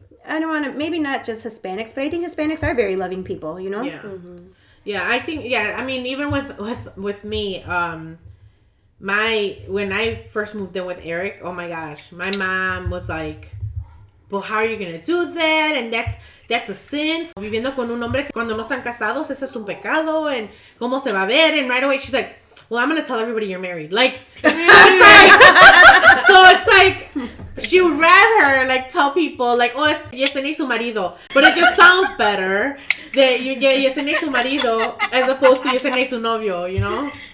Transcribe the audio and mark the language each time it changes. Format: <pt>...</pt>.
<en>I don't want to, maybe not just Hispanics, but I think Hispanics are very loving people, you know? Yeah. Mm-hmm. Yeah, I think, yeah, I mean, even with me, when I first moved in with Eric, oh my gosh, my mom was like, well, how are you going to do that? And that's a sin.</en> <es>Viviendo con un hombre cuando no están casados, ese es un pecado.</es> <en>And</en> <es>cómo se va a ver?</es> <en>And right away, she's like, well, I'm going to tell everybody you're married. Like, it's like, she would rather, like, tell people, like, oh, yesenia</en> <es>y su marido.</es> <en>But it just sounds better that you get yesenia</en> <es>y su marido</es> <en>as opposed to yesenia</en> <es>y su novio,</es> <en>you know?</en>